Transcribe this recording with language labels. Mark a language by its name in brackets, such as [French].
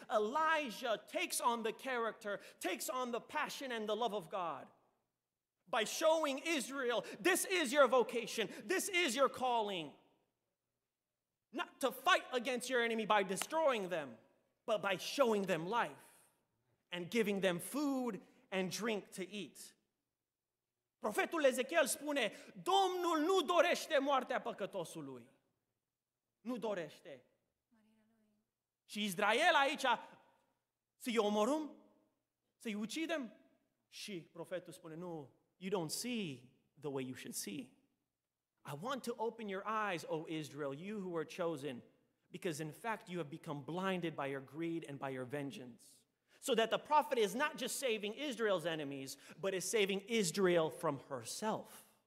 [English] Elijah takes on the character, takes on the passion and the love of God by showing Israel, this is your vocation, this is your calling. Not to fight against your enemy by destroying them, but by showing them life and giving them food and drink to eat. [Romanian] Profetul Ezechiel spune, Domnul nu dorește moartea păcătosului. Nu dorește. Și Israel aici, să-i omorâm? Să-i ucidem? Și profetul spune, nu, [English] you don't see the way you should see. I want to open your eyes, O Israel, you who are chosen, because in fact you have become blinded by your greed and by your vengeance. So that the prophet is not just saving Israel's enemies, but is saving Israel from herself.